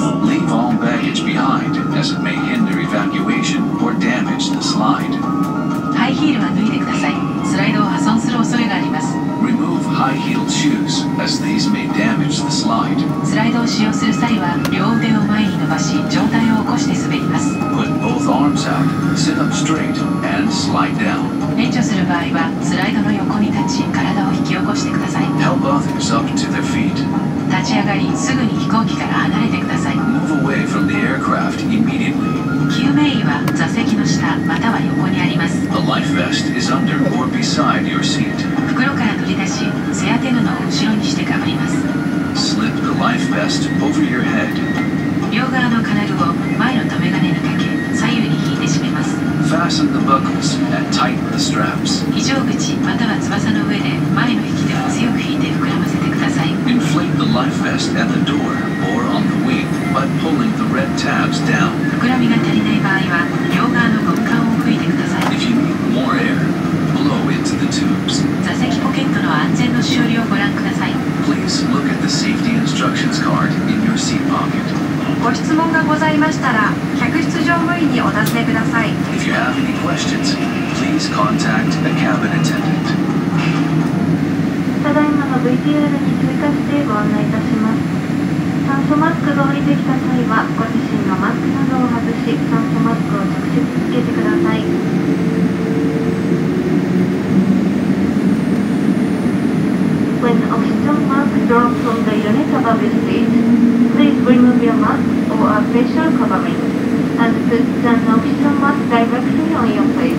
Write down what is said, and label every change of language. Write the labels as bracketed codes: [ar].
[en] Leave all baggage behind as it may hinder evacuation or damage the slide. [ja] ハイヒールは脱いでください。スライドを破損する恐れがあります。 [en] High-heeled shoes, as these may damage the slide. [ja] スライドを使用する際は、両腕を前に伸ばし、上体を起こして滑ります。 [en] Put both arms out, sit up straight, and slide down. [ja] 援助する場合は、スライドの横に立ち、体を引き起こしてください。 [en] Help others up to their feet. [ja] 立ち上がり、すぐに飛行機から離れてください。 [en] Move away from the aircraft immediately. [ja] 救命衣は座席の下または横にあります。 [en] The life vest is under or beside your seat. [ja] 袋から取り出し、背当て布を後ろにしてかぶります。 [en] Slip the life vest over your head. [ja] 両側の金具を前の留め金にかけ、左右に引いて締めます。 [en] Fasten the buckles and tighten the straps. [ja] 非常口または翼の上で前の引き手を強く引いて膨らませてください。 [en] Inflate the life vest at the door or on the wing by pulling the red tabs down. [ja] 膨らみが足りない場合は、両側の軍艦を吹いてください。 [en] If you need more air, blow into the tubes. [ja] 座席ポケットの安全のしおりをご覧ください。 [en] Please look at the safety instructions card in your seat pocket. [ja] ご質問がございましたら、客室乗務員にお尋ねください。 [en] If you have any questions, please contact the cabin attendant. [ja] ただいまの VTR に追加してご案内いたします。酸素マスクが降りてきた際は、ご自身のマスクなどを外し、酸素マスクを直接つけてください。 [en] When oxygen mask drops from the unit above its feet, please remove your mask or a facial covering and put an oxygen mask directly on your face.